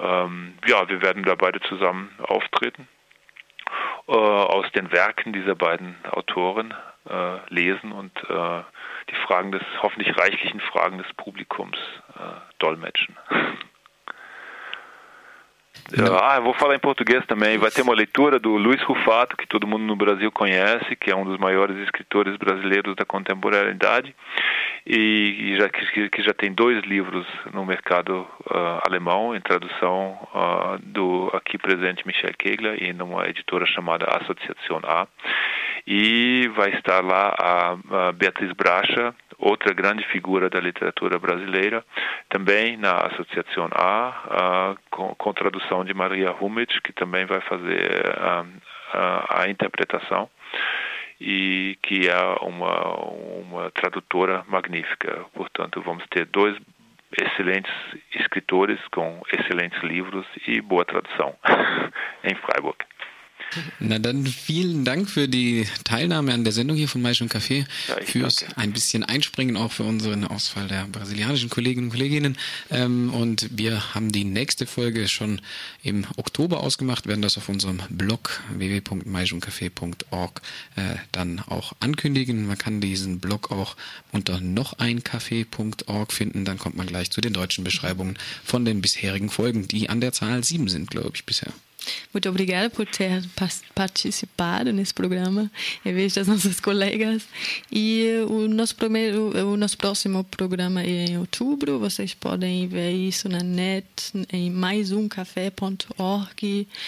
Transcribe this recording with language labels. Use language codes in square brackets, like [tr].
[de] Ja, wir werden da beide zusammen auftreten. Aus den Werken dieser beiden Autoren lesen und die Fragen des hoffentlich reichlichen Fragen des Publikums dolmetschen. [pt] Ah, eu vou falar em português também. Vai ter uma leitura do Luiz Rufato, que todo mundo no Brasil conhece, que é um dos maiores escritores brasileiros da contemporaneidade e que já tem dois livros no mercado alemão, em tradução do aqui presente Michel Kegler e numa editora chamada Associação A. E vai estar lá a Beatriz Bracha, outra grande figura da literatura brasileira, também na Associação A, com tradução de Maria Humitsch, que também vai fazer a interpretação, e que é uma tradutora magnífica. Portanto, vamos ter dois excelentes escritores com excelentes livros e boa tradução em Freiburg. [de] Na dann vielen Dank für die Teilnahme an der Sendung hier von Maisch und Café, fürs ein bisschen Einspringen auch für unseren Ausfall der brasilianischen Kolleginnen und Kolleginnen. Und wir haben die nächste Folge schon im Oktober ausgemacht, werden das auf unserem Blog www.maischundcafé.org dann auch ankündigen. Man kann diesen Blog auch unter nocheincafé.org finden, dann kommt man gleich zu den deutschen Beschreibungen von den bisherigen Folgen, die an der Zahl 7 sind, glaube ich, bisher. [pt] Muito obrigada por ter participado nesse programa, em vez das nossas colegas. E o nosso próximo programa é em outubro. Vocês podem ver isso na net, em maisumcafé.org.